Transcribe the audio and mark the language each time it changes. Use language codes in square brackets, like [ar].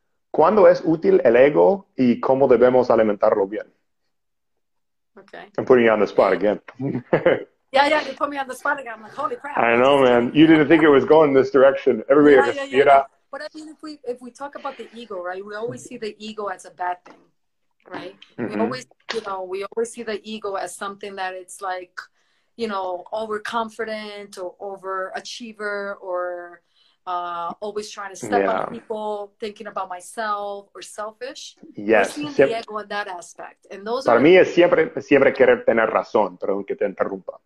[es] ¿cuándo es útil el ego y cómo debemos alimentarlo bien? [en] Okay. I'm putting you on the spot again. yeah, you put me on the spot again. I'm like, holy crap. I know, man. You didn't think it was going this direction. Everybody just, But I mean, if we talk about the ego, right, we always see the ego as a bad thing, right? Mm-hmm. We always see the ego as something that it's like, you know, overconfident or overachiever or... always trying to step on people, thinking about myself or selfish. Yes. We're seeing the ego in that aspect. And those [es] para mí es siempre querer tener razón, perdón que te interrumpa.